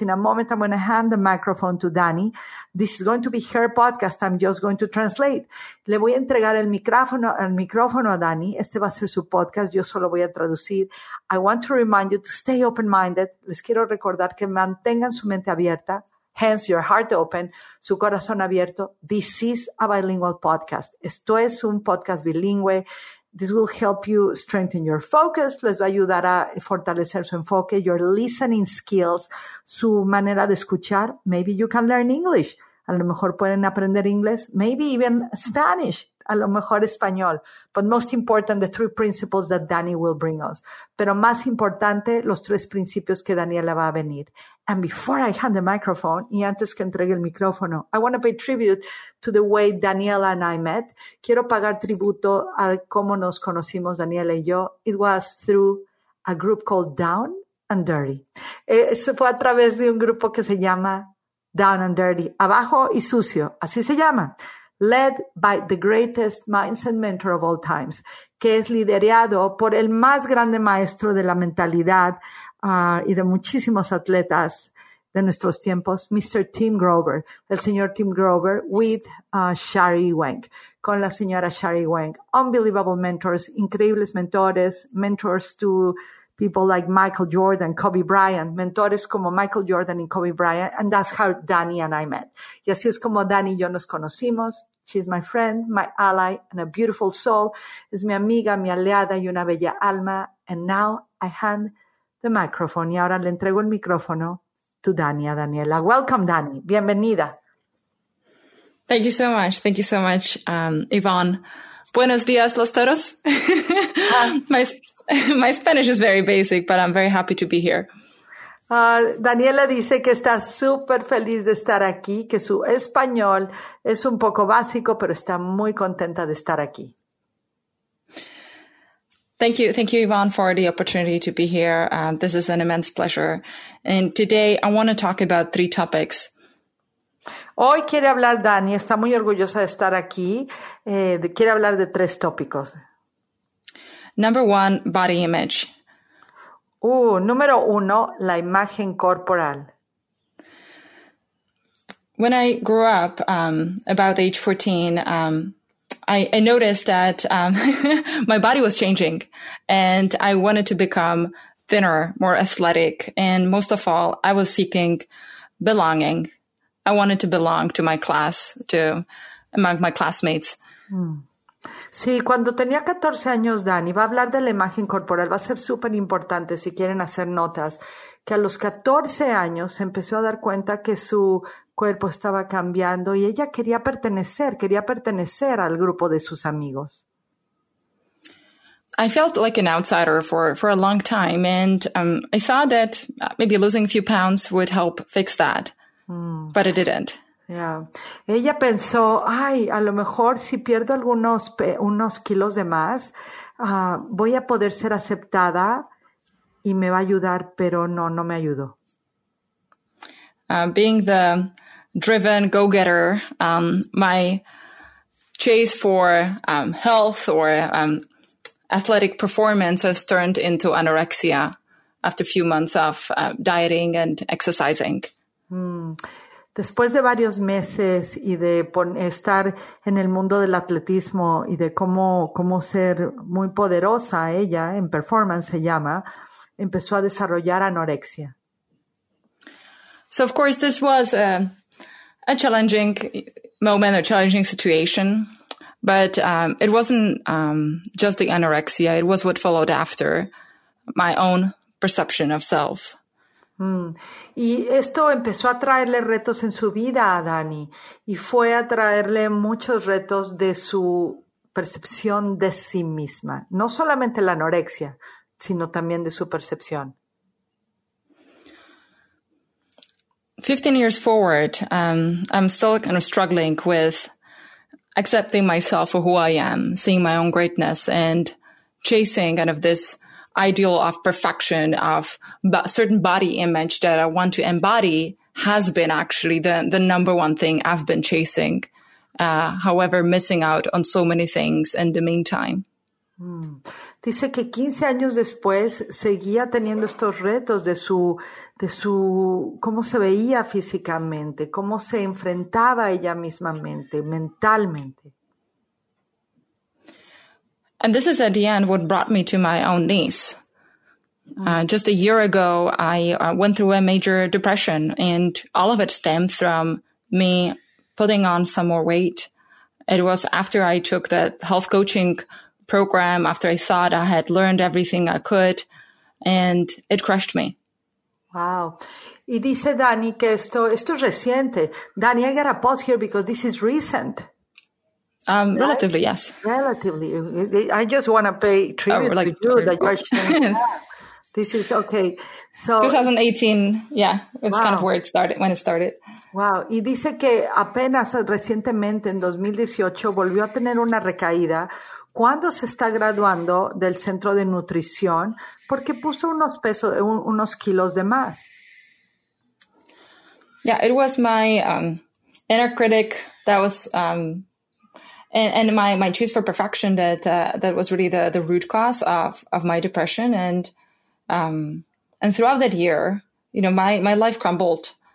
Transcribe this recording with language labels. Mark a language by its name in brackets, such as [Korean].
[English] In a moment, I'm going to hand the microphone to Dani. This is going to be her podcast. I'm just going to translate. [Spanish] Le voy a entregar el micrófono a Dani. Este va a ser su podcast. Yo solo voy a traducir. [English] I want to remind you to stay open-minded. [Spanish] Les quiero recordar que mantengan su mente abierta. [English] Hence, your heart open, [Spanish] su corazón abierto. [English] This is a bilingual podcast. [Spanish] Esto es un podcast bilingüe. [English] This will help you strengthen your focus. [Spanish] Les va a ayudar a fortalecer su enfoque, [English] your listening skills, [Spanish] su manera de escuchar. [English] Maybe you can learn English. [Spanish] A lo mejor pueden aprender inglés. [English] Maybe even Spanish. [Spanish] A lo mejor español. [English] But most important, the three principles that Dani will bring us. [Spanish] Pero más importante, los tres principios que Daniela va a venir. [English] And before I hand the microphone, [Spanish] y antes que entregue el micrófono, [English] I want to pay tribute to the way Daniela and I met. [Spanish] Quiero pagar tributo a cómo nos conocimos Daniela y yo. [English] It was through a group called Down and Dirty. [Spanish] Eso fue a través de un grupo que se llama Down and Dirty, Abajo y Sucio, así se llama. [English] Led by the greatest mindset mentor of all times, [Spanish] que es liderado por el más grande maestro de la mentalidad y de muchísimos atletas de nuestros tiempos, Mr. Tim Grover, el señor Tim Grover, with Shari Wang, con la señora Shari Wang. [English] Unbelievable mentors, [Spanish] increíbles mentores, [English] mentors to people like Michael Jordan, Kobe Bryant, [Spanish] mentores como Michael Jordan y Kobe Bryant, [English] and that's how Dani and I met. [Spanish] Y así es como Dani y yo nos conocimos. [English] She's my friend, my ally, and a beautiful soul. [Spanish] Es mi amiga, mi aliada y una bella alma. [English] And now I hand the microphone. [Spanish] Y ahora le entrego el micrófono [English] to Dani, [Spanish] a Daniela. [English] Welcome, Dani. [Spanish] Bienvenida. [English] Thank you so much. Thank you so much, Ivonne. [Spanish] Buenos días, los toros. [English] My Spanish is very basic, but I'm very happy to be here. [Spanish] Daniela dice que está súper feliz de estar aquí, que su español es un poco básico, pero está muy contenta de estar aquí. [English] Thank you, Ivonne, for the opportunity to be here. This is an immense pleasure. And today I want to talk about three topics. [Spanish] Hoy quiere hablar Dani, está muy orgullosa de estar aquí. Quiere hablar de tres tópicos. [English] Number one, body image. [Spanish] Número uno, la imagen corporal. [English] When I grew up, about age 14, I noticed that my body was changing and I wanted to become thinner, more athletic. And most of all, I was seeking belonging. I wanted to belong to my class, among my classmates. [Spanish] Sí, cuando tenía 14 años, Dani, va a hablar de la imagen corporal, va a ser súper importante si quieren hacer notas, que a los 14 años se empezó a dar cuenta que su cuerpo estaba cambiando y ella quería pertenecer al grupo de sus amigos. [English] I felt like an outsider for a long time and I thought that maybe losing a few pounds would help fix that, but it didn't. Yeah. [Spanish] Ella pensó, ay, a lo mejor si pierdo algunos unos kilos de más, voy a poder ser aceptada y me va a ayudar, pero no me ayudó. [English] Being the driven go-getter, my chase for health or athletic performance has turned into anorexia after a few months of dieting and exercising. [Spanish] Después de varios meses y de estar en el mundo del atletismo y de cómo ser muy poderosa, ella, en performance se llama, empezó a desarrollar anorexia. [English] So, of course, this was a challenging moment, a challenging situation, but it wasn't just the anorexia, it was what followed after, my own perception of self. [Spanish] Y esto empezó a traerle retos en su vida a Dani y fue a traerle muchos retos de su percepción de sí misma, no solamente la anorexia, sino también de su percepción. [English] 15 years forward, I'm still kind of struggling with accepting myself for who I am, seeing my own greatness and chasing kind of this ideal of perfection, of certain body image that I want to embody, has been actually the number one thing I've been chasing, however, missing out on so many things in the meantime. [Spanish] Dice que 15 años después seguía teniendo estos retos de su cómo se veía físicamente, cómo se enfrentaba ella misma mentalmente. [English] And this is at the end what brought me to my own niece. Just a year ago, I went through a major depression, and all of it stemmed from me putting on some more weight. It was after I took the health coaching program, after I thought I had learned everything I could, and it crushed me. [Spanish] Wow. Y dice Dani que esto es reciente. [English] Dani, I gotta pause here because this is recent. Relatively, yes. Relatively. I just want to pay tribute to you that you're sharing. This is okay. So 2018, yeah, it's wow. Kind of where it started, when it started. Wow. [Spanish] Y dice que apenas recientemente, en 2018, volvió a tener una recaída cuando se está graduando del centro de nutrición porque puso unos kilos de más. [English] Yeah, it was my inner critic that was... And my choose for perfection that was really the root cause of my depression. And throughout that year, you know, my life crumbled.